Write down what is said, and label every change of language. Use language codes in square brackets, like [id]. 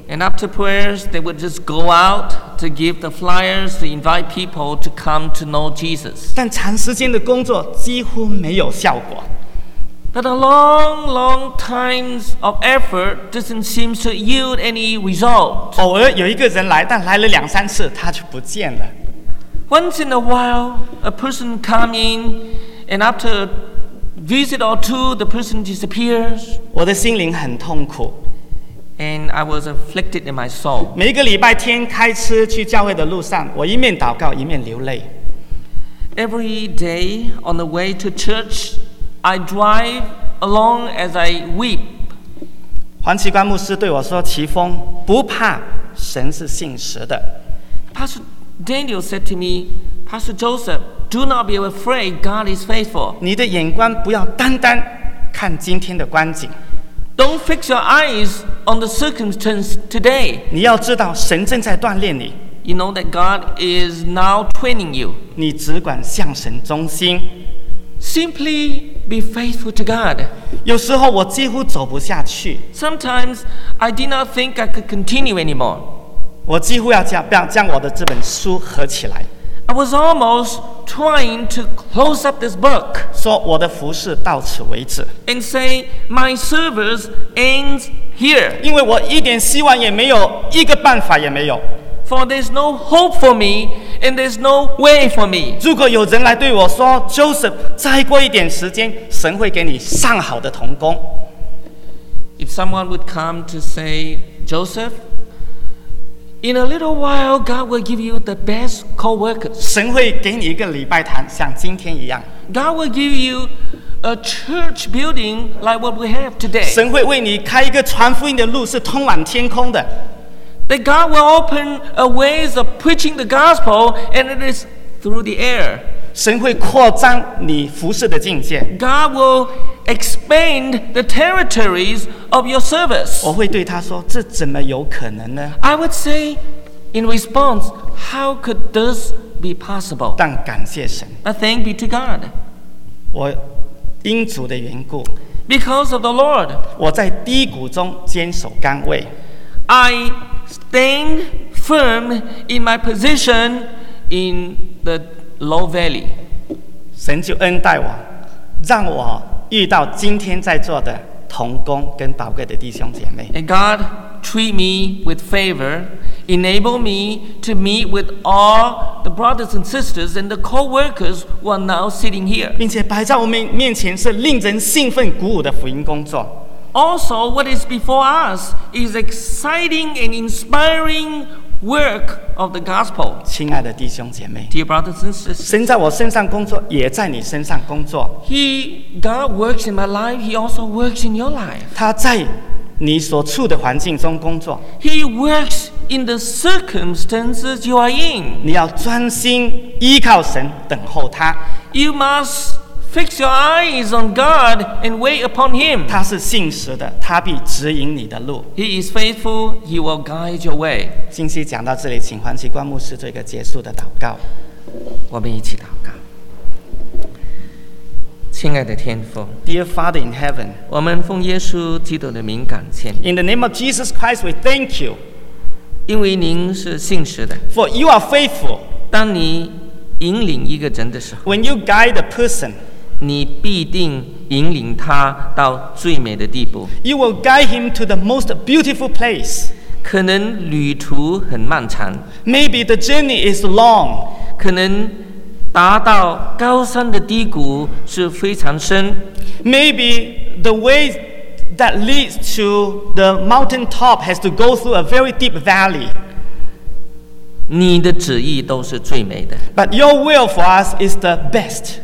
[en] And after prayers, they would just go out to give the flyers to invite people to come to know Jesus. [zh] 但长时间的工作几乎没有效果。 [en] But a long, long time of effort doesn't seem to yield any result. [zh] 偶尔有一个人来，但来了两三次，他就不见了。 [en] Once in a while, a person comes in, and after a visit or two, the person disappears. [zh] 我的心灵很痛苦。 [en] And I was afflicted in my soul. [zh] 每个礼拜天开车去教会的路上，我一面祷告，一面流泪。 [en] Every day on the way to church,I drive along as I weep. [zh] 黄奇光牧师对我说：“奇峰，不怕，神是信实的。” [en] Pastor Daniel said to me, Pastor Joseph, do not be afraid. God is faithful. [zh] 你的眼光不要单单看今天的光景。 [en] Don't fix your eyes on the circumstance today. [zh] 你要知道，神正在锻炼你。 [en] You know that God is now training you. [zh] 你只管向神忠心。 [en] Simply be faithful to God. [zh] 有时候我几乎走不下去。 [en] Sometimes I did not think I could continue anymore. [zh] 我几乎要将我的这本书合起来。 [en] I was almost trying to close up this book. [zh] 说我的服事到此为止。 [en] And say my service ends here. [zh] 因为我一点希望也没有，一个办法也没有。 [en] For there's no hope for me, and there's no way for me. [zh] 如果有人来对我说 ，Joseph， 再过一点时间，神会给你上好的童工。 [en] If someone would come to say, Joseph, in a little while, God will give you the best co-workers. [zh] 神会给你一个礼拜堂，像今天一样。 [en] God will give you a church building like what we have today. [zh] 神会为你开一个传福音的路，是通往天空的。 [en] That God will open a ways of preaching the gospel, and it is through the air. [zh] 神会扩张你服事的境界。 [en] God will expand the territories of your service. [zh] 我会对他说，这怎么有可能呢？ [en] I would say, in response, how could this be possible? [zh] 但感谢神。 [en] But thank be to God. [zh] 我因主的缘故。 [en] Because of the Lord. [zh] 我在低谷中坚守岗位。 [en] I staying firm in my position in the low valley. [zh] 神就恩待我，让我遇到今天在座的同工跟宝贵的弟兄姐妹。 [en] And God treat me with favor, enable me to meet with all the brothers and sisters and the co-workers who are now sitting here. [zh] 并且摆在我们面前是令人兴奋鼓舞的福音工作。 [en] Also, what is before us is exciting and inspiring work of the gospel. [zh] 亲爱的弟兄姐妹， [en] Dear brothers and sisters, [zh] 神在我身上工作，也在你身上工作。 [en] God works in my life, He also works in your life. [zh] 他在你所处的环境中工作。 [en] He works in the circumstances you are in. [zh] 你要专心依靠神，等候他。 [en] You must. Fix your eyes on God and wait upon Him. [zh] 他是信实的，他必指引你的路。 [en] He is faithful. He will guide your way. [zh] 信息讲到这里，请黄奇光牧师做一个结束的祷告。我们一起祷告。亲爱的天父 [en] ，Dear Father in heaven， [zh] 我们奉耶稣基督的名感谢你。 [en] In the name of Jesus Christ, we thank you. [zh] 因为您是信实的。 [en] For you are faithful. [zh] 当你引领一个人的时候 [en] ，When you guide a person。 [zh] 你必定引领他到最美的地步。 [en] You will guide him to the most beautiful place. [zh] 可能旅途很漫长。 [en] Maybe the journey is long. [zh] 可能达到高山的低谷是非常深。 [en] Maybe the way that leads to the mountain top has to go through a very deep valley. [zh] 你的旨意都是最美的。 [en] But your will for us is the best.